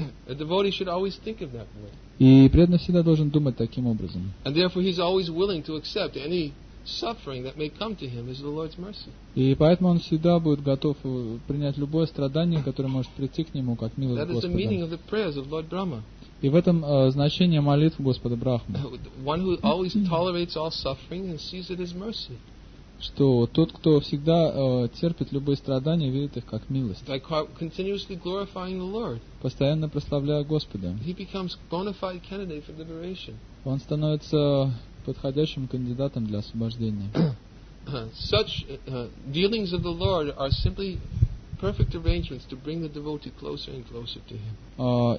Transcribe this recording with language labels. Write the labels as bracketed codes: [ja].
[en] A devotee should always think of that way. [ru] И преданный всегда должен думать таким образом. [en] And therefore he's always willing to accept any suffering that may come to him is the Lord's mercy. [ru] И поэтому он всегда будет готов принять любое страдание, которое может прийти к нему, как милость Господа. [en] That is the meaning of the prayers of Lord Brahma. [ru] И в этом значение молитв Господа Брахмы. [en] One who always tolerates all suffering and sees it as mercy. [ru] Что тот, кто всегда терпит любые страдания, видит их как милость. Постоянно прославляя Господа. [en] He becomes bona fide candidate for liberation. [ru] Он становится подходящим кандидатом для освобождения. [en] Such dealings of the Lord are simply perfect arrangements to bring the devotee closer and closer to him.